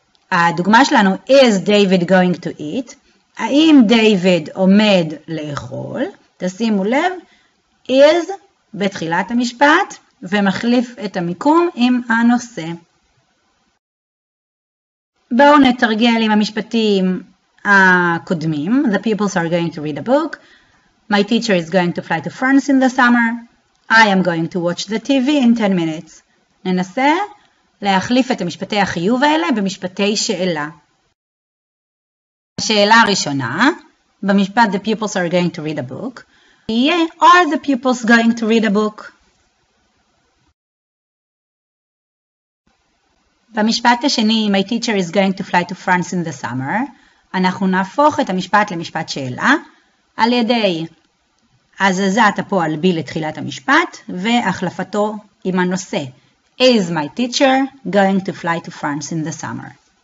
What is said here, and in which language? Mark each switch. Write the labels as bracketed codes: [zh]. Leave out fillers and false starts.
[he] הדוגמה שלנו, [en] is David going to eat? [he] האם דיוויד עומד לאכול? תשימו לב, is בתחילת המשפט ומחליף את המיקום עם הנושא. בואו נתרגל עם המשפטים הקודמים. [en] The pupils are going to read a book. My teacher is going to fly to France in the summer. I am going to watch the TV in 10 minutes. [he] ננסה להחליף את המשפטי החיוב האלה במשפטי שאלה. השאלה הראשונה, במשפט [en] The pupils are going to read a book. Yeah, are the pupils going to read a book? [he] במשפט השני, [en] my teacher is going to fly to France in the summer, [he] אנחנו נהפוך את המשפט למשפט שאלה, על ידי הזזת הפועל בי לתחילת המשפט, והחלפתו עם הנושא, [en] is my teacher going to fly to France in the summer?